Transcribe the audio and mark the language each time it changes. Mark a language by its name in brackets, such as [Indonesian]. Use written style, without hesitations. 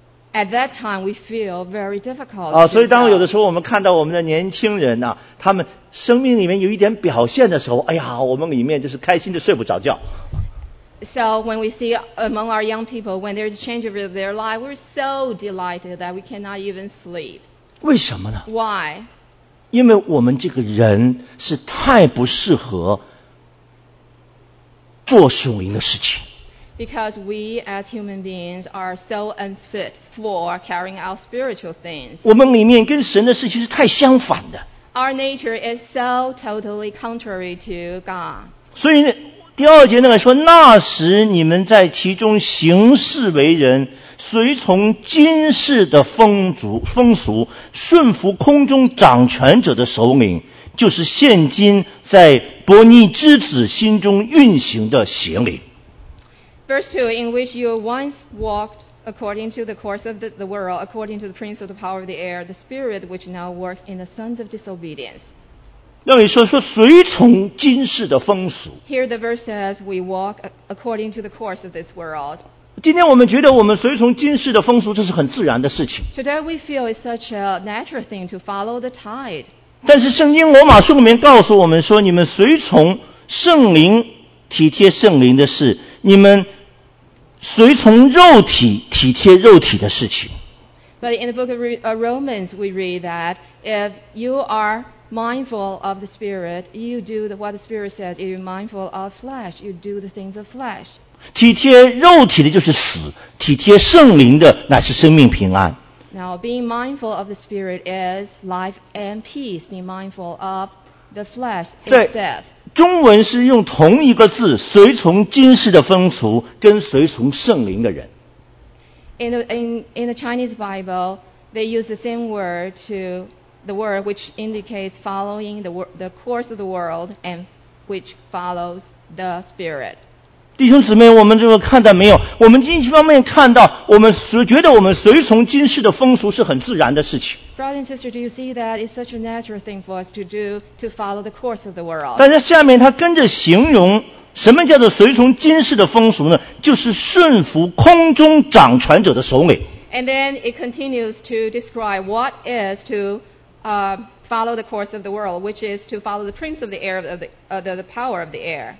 [English] At that time, we feel very difficult. [Chinese] 啊，所以当有的时候我们看到我们的年轻人呐、啊，他们生命里面有一点表现的时候，哎呀，我们里面就是开心的睡不着觉。 [English] So when we see among our young people when there's a change of their life, we're so delighted that we cannot even sleep. [Chinese] 为什么呢 [English] ？Why? [Chinese] 因为我们这个人是太不适合做属灵的事情。 [English] Because we as human beings are so unfit for carrying out spiritual things. [Chinese] 我们里面跟神的事情是太相反的。 [English] Our nature is so totally contrary to God. [Chinese] 所以第二节那个说，那时你们在其中行事为人，随从今世的风俗，顺服空中掌权者的首领，就是现今在伯尼之子心中运行的邪灵。 [English] Verse 2, in which you once walked according to the course of the world, according to the prince of the power of the air, the spirit which now works in the sons of disobedience. [Chinese] 那你说随从今世的风俗。 [English] Here the verse says, we walk according to the course of this world. [Chinese] 今天我们觉得我们随从今世的风俗，这是很自然的事情。 [English] Today we feel it's such a natural thing to follow the tide. [Chinese] 但是圣经罗马书里面告诉我们说，你们随从圣灵，体贴圣灵的事，你们随从肉体体贴肉体的事情。 [English] But in the book of Romans, we read that if you are mindful of the spirit, you do what the spirit says. If you're mindful of flesh, you do the things of flesh. [Chinese] 体贴肉体的就是死，体贴圣灵的乃是生命平安。 [English] Now being mindful of the spirit is life and peace. Being mindful of the flesh is death. [Chinese] 中文是用同一个字，随从今世的风俗，跟随从圣灵的人。 [English] In the Chinese Bible, they use the same word to the word which indicates following the course of the world and which follows the spirit. [Chinese] 弟兄姊妹，我们这个看到没有？我们一方面看到，我们觉得我们随从今世的风俗是很自然的事情。 [English] Brother and sister, do you see that it's such a natural thing for us to do to follow the course of the world? [Chinese] 但是下面他跟着形容，什么叫做随从今世的风俗呢？就是顺服空中掌权者的首领。 [English] And then it continues to describe what is to follow the course of the world, which is to follow the prince of the air, the power of the air.